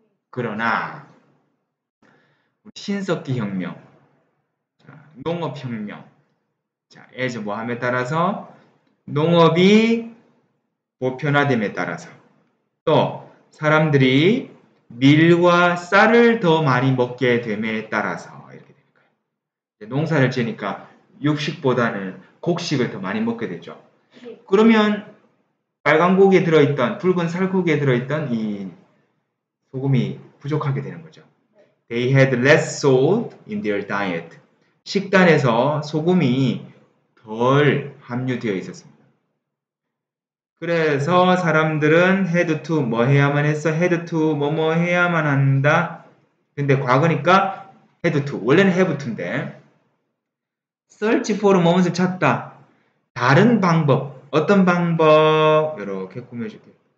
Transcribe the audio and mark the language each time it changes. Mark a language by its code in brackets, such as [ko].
[ko] 그러나 신석기 혁명, 농업 혁명 자, 에즈 뭐함에 따라서 농업이 보편화됨에 따라서 또 사람들이 밀과 쌀을 더 많이 먹게 됨에 따라서 이렇게 되니까 농사를 지으니까 육식보다는 곡식을 더 많이 먹게 되죠. 그러면 빨간 고기에 들어있던 붉은 살코기에 들어있던 이 소금이 부족하게 되는 거죠. [en] They had less salt in their diet. [ko] 식단에서 소금이 덜 함유되어 있었습니다. 그래서 사람들은 had to 뭐 해야만 했어? had to 뭐뭐 해야만 한다? 근데 과거니까 had to 원래는 have to인데 search for 뭐뭐를 찾다 다른 방법 어떤 방법 이렇게 꾸며줄게요.